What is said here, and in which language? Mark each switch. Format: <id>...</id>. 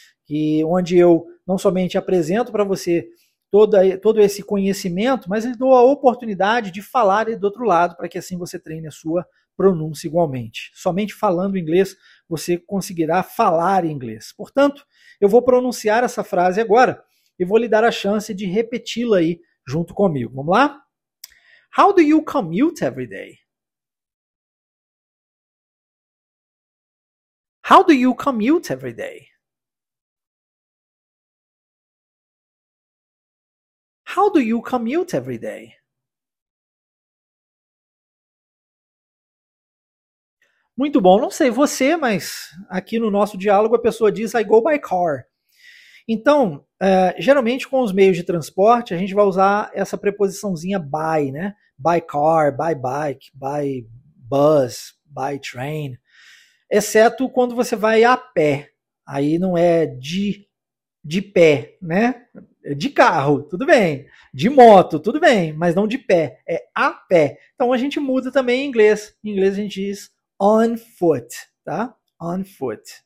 <pt>E onde eu não somente apresento para você todo esse conhecimento, mas lhe dou a oportunidade de falar do outro lado para que assim você treine a sua pronúncia igualmente. Somente falando inglês você conseguirá falar inglês. Portanto, eu vou pronunciar essa frase agora e vou lhe dar a chance de repeti-la aí junto comigo. Vamos lá?</pt> <en>How do you commute every day? How do you commute every day? How do you commute every day?</en> <pt>Muito bom, não sei você, mas aqui no nosso diálogo a pessoa diz I go by car. Então, geralmente com os meios de transporte a gente vai usar essa preposiçãozinha by, né?</pt> <en>By car, by bike, by bus, by train.</en> <pt>Exceto quando você vai a pé, aí não é de pé, né? De carro, tudo bem. De moto, tudo bem, mas não de pé, é a pé. Então a gente muda também em inglês. Em inglês a gente diz on foot, tá? On foot.</pt>